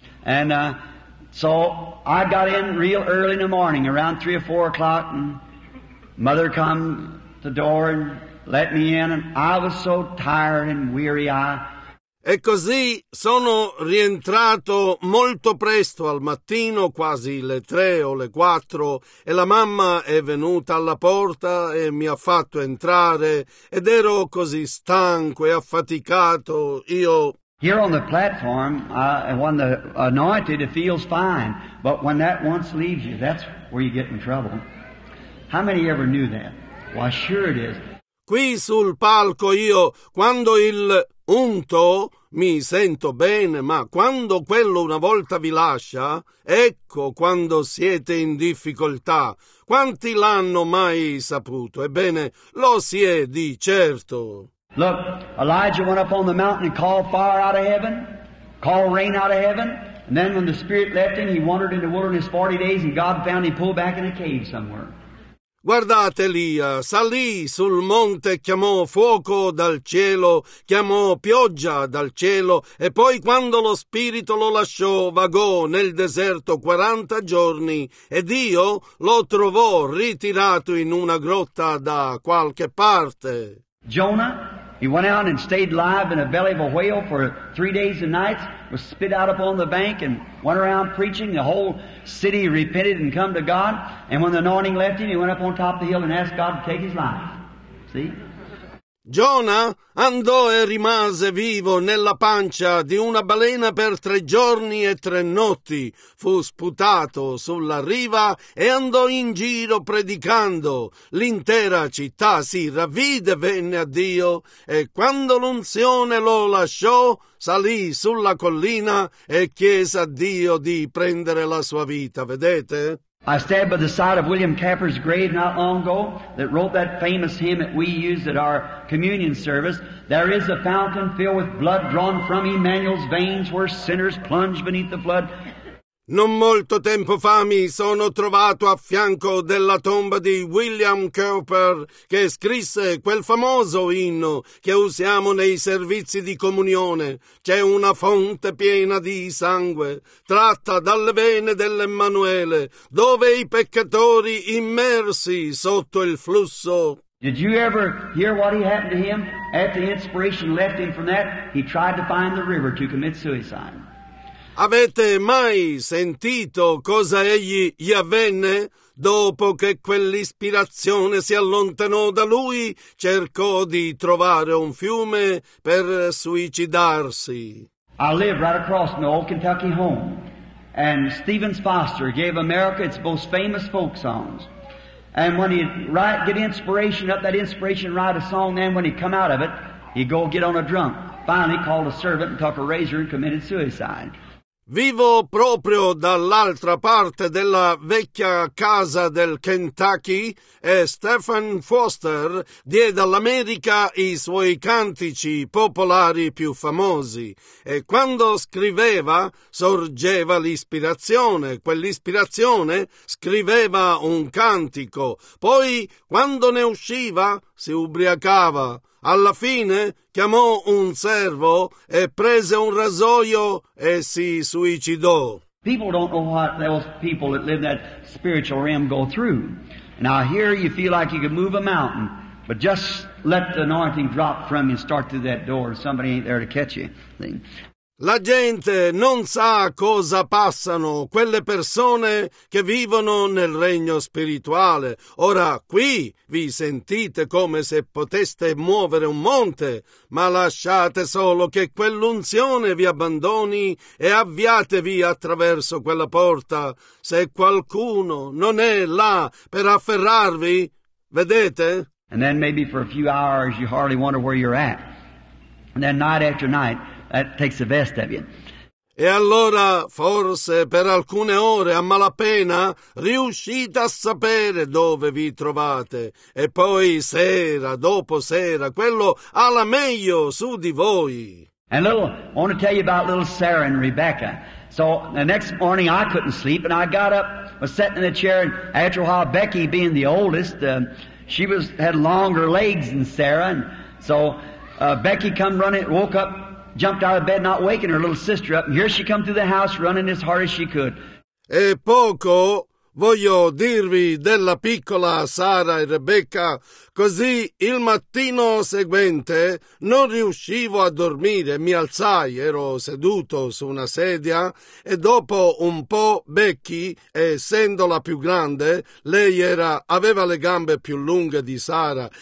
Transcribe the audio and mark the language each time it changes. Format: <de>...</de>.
<en>And so I got in real early in the morning, around 3 or 4 o'clock, and mother come to the door and let me in, and I was so tired and weary.</en> <it>E così sono rientrato molto presto al mattino, quasi le 3 o le 4, e la mamma è venuta alla porta e mi ha fatto entrare, ed ero così stanco e affaticato, io...</it> <en>Here on the platform, when the anointed, it feels fine, but when that once leaves you, that's where you get in trouble. How many ever knew that? Well, sure it is.</en> <it>Qui sul palco io, quando il unto, mi sento bene, ma quando quello una volta vi lascia, ecco quando siete in difficoltà. Quanti l'hanno mai saputo? Ebbene, lo si è di certo.</it> <en>Look, Elijah went up on the mountain and called fire out of heaven, called rain out of heaven, and then when the Spirit left him, he wandered in the wilderness 40 days and God found him pulled back in a cave somewhere.</en> <it>Guardate Elia, salì sul monte, chiamò fuoco dal cielo, chiamò pioggia dal cielo, e poi quando lo spirito lo lasciò, vagò nel deserto 40 giorni, e Dio lo trovò ritirato in una grotta da qualche parte.</it> <en>Jonah, he went out and stayed alive in the belly of a whale for 3 days and nights, was spit out upon the bank and went around preaching. The whole city repented and come to God. And when the anointing left him, he went up on top of the hill and asked God to take his life. See?</en> <it>Giona andò e rimase vivo nella pancia di una balena per 3 giorni e 3 notti. Fu sputato sulla riva e andò in giro predicando. L'intera città si ravvide, venne a Dio, e quando l'unzione lo lasciò, salì sulla collina e chiese a Dio di prendere la sua vita, vedete?</it> <en>I stand by the side of William Capper's grave not long ago that wrote that famous hymn that we use at our communion service. There is a fountain filled with blood drawn from Emmanuel's veins where sinners plunge beneath the flood.</en> <it>Non molto tempo fa mi sono trovato a fianco della tomba di William Cowper, che scrisse quel famoso inno che usiamo nei servizi di comunione. C'è una fonte piena di sangue, tratta dalle vene dell'Emmanuele, dove i peccatori immersi sotto il flusso.</it> <en>Did you ever hear what happened to him? At the inspiration left him from that, he tried to find the river to commit suicide.</en> <it>Avete mai sentito cosa egli gli avvenne? Dopo che quell'ispirazione si allontanò da lui, cercò di trovare un fiume per suicidarsi.</it> <en>I live right across my old Kentucky home, and Stevens Foster gave America its most famous folk songs. And when he'd write, get inspiration up that inspiration, write a song, then when he'd come out of it, he'd go get on a drunk. Finally called a servant and took a razor and committed suicide.</en> <it>Vivo proprio dall'altra parte della vecchia casa del Kentucky e Stephen Foster diede all'America i suoi cantici popolari più famosi. E quando scriveva, sorgeva l'ispirazione. Quell'ispirazione scriveva un cantico. Poi, quando ne usciva, si ubriacava. Alla fine chiamò un servo e prese un rasoio e si suicidò.</it> <en>People don't know what those people that live in that spiritual realm go through. Now here you feel like you can move a mountain, but just let the anointing drop from you and start through that door. Somebody ain't there to catch you.</en> <it>La gente non sa cosa passano quelle persone che vivono nel regno spirituale. Ora qui vi sentite come se poteste muovere un monte, ma lasciate solo che quell'unzione vi abbandoni e avviatevi attraverso quella porta. Se qualcuno non è là per afferrarvi, vedete?</it> <en>And then maybe for a few hours you hardly wonder where you're at. And then night after night, that takes the best of you.</en> <it>E allora, forse per alcune ore a malapena, riuscite a sapere dove vi trovate. E poi sera dopo sera, quello ha la meglio su di voi.</it> <en>And little, I want to tell you about little Sarah and Rebecca. So the next morning I couldn't sleep, and I got up, was sitting in the chair, and after a while, Becky being the oldest, she was had longer legs than Sarah. And so Becky come running, woke up, jumped out of bed, not waking her little sister up. And here she come through the house, running as hard as she could.</en> <it>E poco voglio dirvi della piccola Sara e Rebecca. Così il mattino seguente non riuscivo a dormire. Mi alzai, ero seduto su una sedia. E dopo un po' Becky, essendo la più grande, lei aveva le gambe più lunghe di Sara.</it>